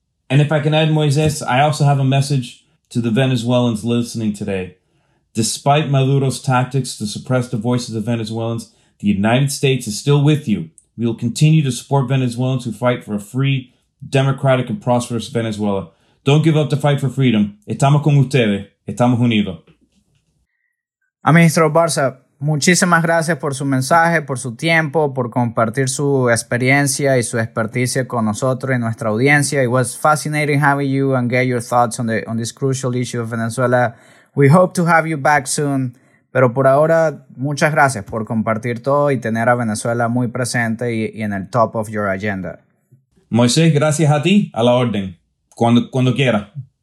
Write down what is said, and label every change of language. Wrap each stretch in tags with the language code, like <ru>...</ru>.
<en>And if I can add, Moises, I also have a message to the Venezuelans listening today. Despite Maduro's tactics to suppress the voices of Venezuelans, the United States is still with you, We will continue to support Venezuelans who fight for a free, democratic, and prosperous Venezuela. Don't give up the fight for freedom.</en> <es>Estamos con ustedes. Estamos unidos. Ministro Barça, muchísimas gracias por su mensaje, por su tiempo, por compartir su experiencia y su experticia con nosotros y nuestra audiencia.</es> <en>It was fascinating having you and get your thoughts on this crucial issue of Venezuela. We hope to have you back soon.</en> <es>Pero por ahora, muchas gracias por compartir todo y tener a Venezuela muy presente y en el</es> <en>top of your agenda.</en> <es>Moisés, gracias a ti. A la orden. Cuando quiera.</es>